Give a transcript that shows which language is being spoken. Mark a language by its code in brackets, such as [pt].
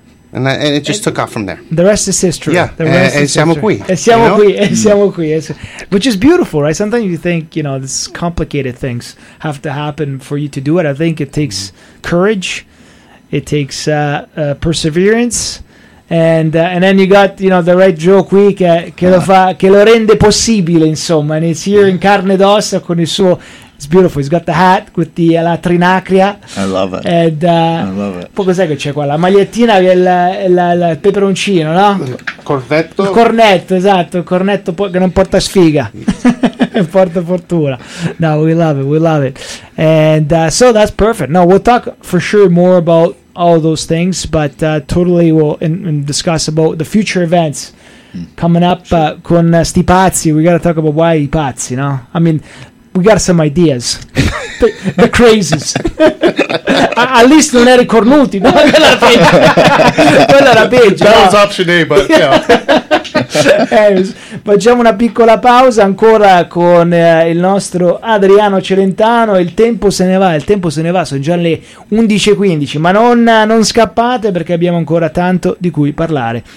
[en] And it just took off from there. The rest is history. Yeah, and [it] siamo qui. [en] Which is beautiful, right? Sometimes you think, you know, this complicated things have to happen for you to do it. I think it takes courage. It takes perseverance. And then you got, you know, the right joke week [it] che lo fa, che lo rende possibile, insomma. [en] And it's here [it] in carne ed ossa con il suo. [en] It's beautiful. He's got the hat with the la trinacria. I love it. And I love it. [it] Poi cos'è che c'è qua? La magliettina che il peperoncino, no? Cornetto. Cornetto, esatto. Cornetto che non porta sfiga. Porta fortuna. [en] No, we love it. We love it. And so that's perfect. Now we'll talk for sure more about all those things, but totally we'll discuss about the future events coming up. Sure. [it] Con sti pazzi, [en] we gotta talk about why i pazzi, no? I mean, we got some ideas. the crazies. [it] At least non eri cornuti, no? Quella era peggio. Quella era peggio. [en] That was option A, but yeah. [it] Facciamo una piccola pausa ancora con il nostro Adriano Celentano. Il tempo se ne va, il tempo se ne va. Sono già le 11:15, ma non scappate perché abbiamo ancora tanto di cui parlare.